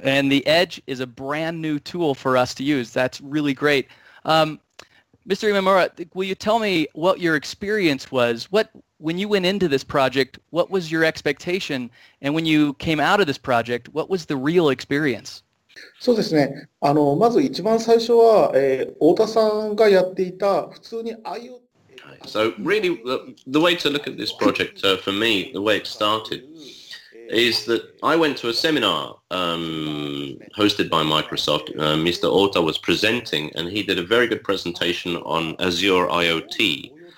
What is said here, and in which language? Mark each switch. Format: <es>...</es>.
<en>And the edge is a brand new tool for us to use. That's really great. Mr. Imamura, will you tell me what your experience was? What, when you went into this project, what was your expectation? And when you came out of this project, what was the real experience?</en> <ja>そうですね。まず一番最初は、太田さんがやっていた普通に IoT。</ja> <en>So really, the way to look at this project, for me, the way it started, is that I went to a seminar hosted by Microsoft. Mr. Ota was presenting, and he did a very good presentation on Azure IoT.</en>